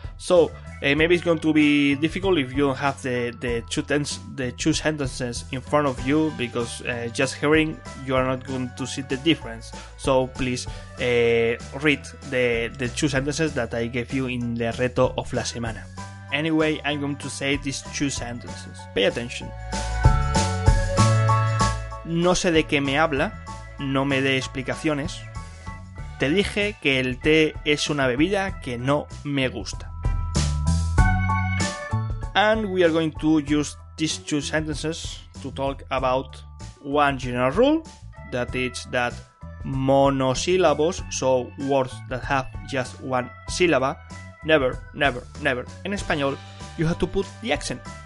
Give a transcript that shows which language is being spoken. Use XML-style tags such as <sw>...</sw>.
<en>So, maybe it's going to be difficult if you don't have the two sentences in front of you, because just hearing, you are not going to see the difference. So, please read the two sentences that I gave you in the reto of</en> <es>la semana.</es> <en>Anyway, I'm going to say these two sentences. Pay attention.</en> <es>No sé de qué me habla, no me dé explicaciones. Te dije que el té es una bebida que no me gusta.</es> <en>And we are going to use these two sentences to talk about one general rule, that is that monosyllables, so words that have just one syllable, never, never, never, in español, you have to put the accent.</en>